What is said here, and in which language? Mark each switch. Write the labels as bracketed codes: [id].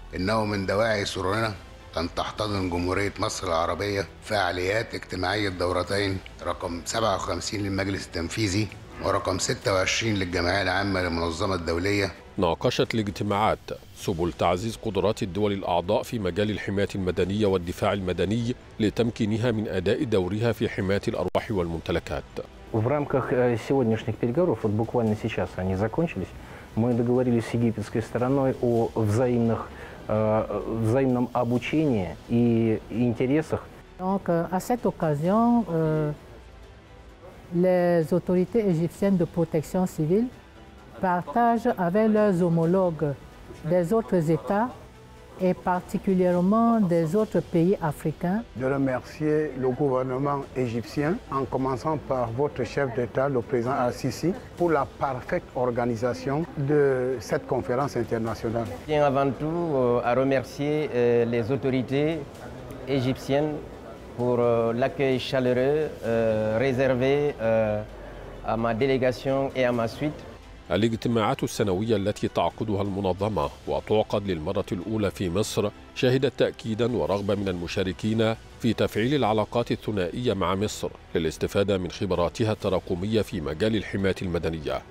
[ar] إنه من دواعي سرورنا أن تحتضن جمهورية مصر العربية فعاليات اجتماعية دورتين رقم 57 للمجلس التنفيذي ورقم 26 للجمعية العامة للمنظمة الدولية. ناقشت الاجتماعات سبل تعزيز قدرات الدول الأعضاء في مجال الحماية المدنية والدفاع المدني لتمكينها من أداء دورها في حماية الأرواح والممتلكات. [ru] В рамках сегодняшних переговоров, вот буквально сейчас они закончились, мы договорились с египетской стороной о взаимном обучении и интересах. [fr] Donc à cette occasion, les autorités égyptiennes de protection civile partagent avec leurs homologues des autres États et particulièrement des autres pays africains. De remercier le gouvernement égyptien, en commençant par votre chef d'État, le président Al-Sisi, pour la parfaite organisation de cette conférence internationale. Je tiens avant tout à remercier les autorités égyptiennes pour l'accueil chaleureux réservé à ma délégation et à ma suite. [ar] الاجتماعات السنوية التي تعقدها المنظمة وتعقد للمرة الأولى في مصر شهدت تأكيداً ورغبة من المشاركين في تفعيل العلاقات الثنائية مع مصر للاستفادة من خبراتها التراكمية في مجال الحماية المدنية.